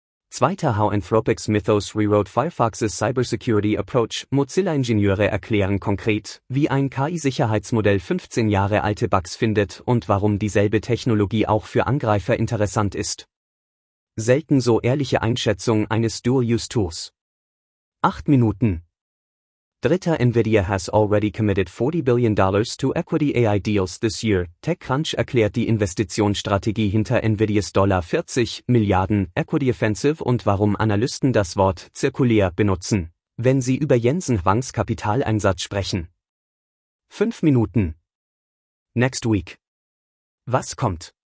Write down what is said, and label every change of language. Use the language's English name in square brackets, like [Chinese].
[German] Zweiter: [English] How Anthropics Mythos Rewrote Firefox's Cybersecurity Approach. [German] Mozilla-Ingenieure erklären konkret, wie ein KI-Sicherheitsmodell 15 Jahre alte Bugs findet und warum dieselbe Technologie auch für Angreifer interessant ist. Selten so ehrliche Einschätzung eines Dual-Use-Tools. 8 Minuten. Dritter: [English] Nvidia has already committed $40 billion to equity AI deals this year. [German] TechCrunch erklärt die Investitionsstrategie hinter Nvidias $40 Milliarden Equity Offensive und warum Analysten das Wort zirkulär benutzen, wenn sie über Jensen Huangs Kapitaleinsatz sprechen. 5 Minuten. [English] Next week. [German] Was kommt?